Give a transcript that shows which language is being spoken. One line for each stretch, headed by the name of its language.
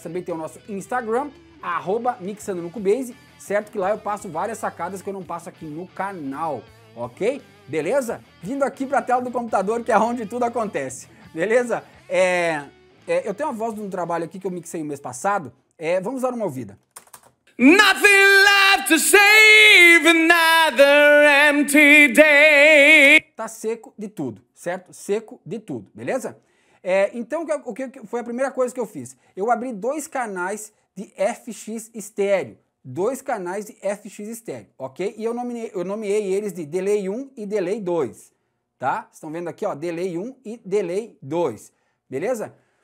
Portuguese: Também tem o nosso Instagram, @ Mixando no Cubase, certo? Que lá eu passo várias sacadas que eu não passo aqui no canal, ok? Beleza? Vindo aqui para a tela do computador, que é onde tudo acontece, beleza? Eu tenho a voz de um trabalho aqui que eu mixei no mês passado, vamos dar uma ouvida.
English: Nothing left to save, another empty day.
Portuguese: Tá seco de tudo, certo? Seco de tudo, beleza? Então, o que foi a primeira coisa que eu fiz? Eu abri dois canais de FX estéreo. Dois canais de FX estéreo, ok? E eu nomeei eles de delay 1 e delay 2, tá? Vocês estão vendo aqui, ó, delay 1 e delay 2, beleza?